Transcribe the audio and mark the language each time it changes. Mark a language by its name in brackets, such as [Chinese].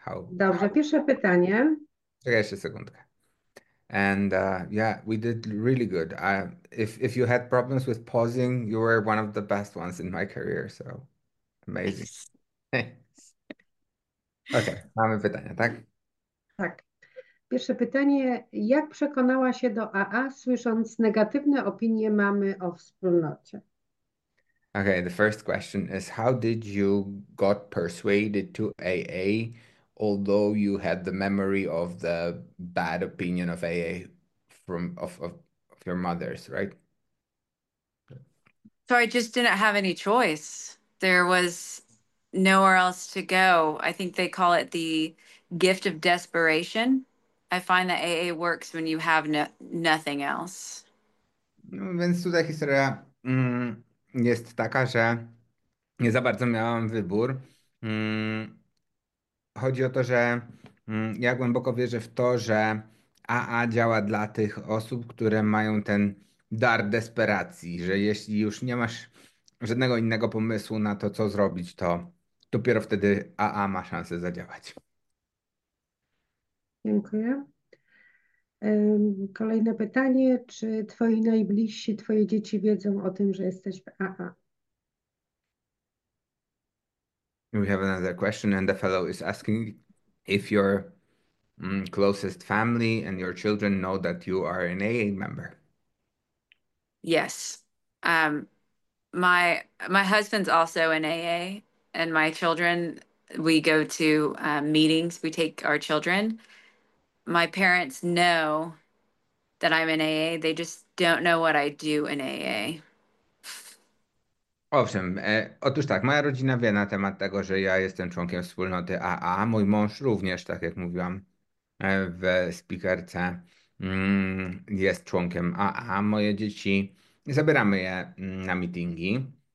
[Polish] Dobrze, pierwsze pytanie. Czekaj jeszcze sekundkę. [English] And yeah, we did really good. If you had problems with pausing, you were one of the best ones in my career. So amazing. [Polish] Okay, mamy pytania, tak? Tak. Pierwsze pytanie. Jak przekonała się do AA, słysząc negatywne opinie mamy o wspólnocie? [English] Okay, the first question is how did you got persuaded to AA although you had the memory of the bad opinion of AA from of your mother's, right? So I just didn't have any choice. There was nowhere else to go. I think they call it the gift of desperation. I find that AA works when you have no nothing else. [Polish] No, więc tutaj historia jest taka, że nie za bardzo miałam wybór. Chodzi o to, że ja głęboko wierzę w to, że AA działa dla tych osób, które mają ten dar desperacji, że jeśli już nie masz żadnego innego pomysłu na to, co zrobić, to dopiero wtedy AA ma szansę zadziałać. Dziękuję. Kolejne pytanie. Czy twoi najbliżsi, twoje dzieci wiedzą o tym, że jesteś w AA? [English] We have another question, and the fellow is asking if your closest family and your children know that you are an AA member. Yes. My husband's also an AA, and my children, we go to meetings, we take our children. My parents know that I'm in AA. They just don't know what I do in AA. [Polish] Owszem, otóż tak, moja rodzina wie na temat tego, że ja jestem członkiem wspólnoty AA. Mój mąż również, tak jak mówiłam w speakerce, jest członkiem AA. Moje dzieci, zabieramy je na meetingi.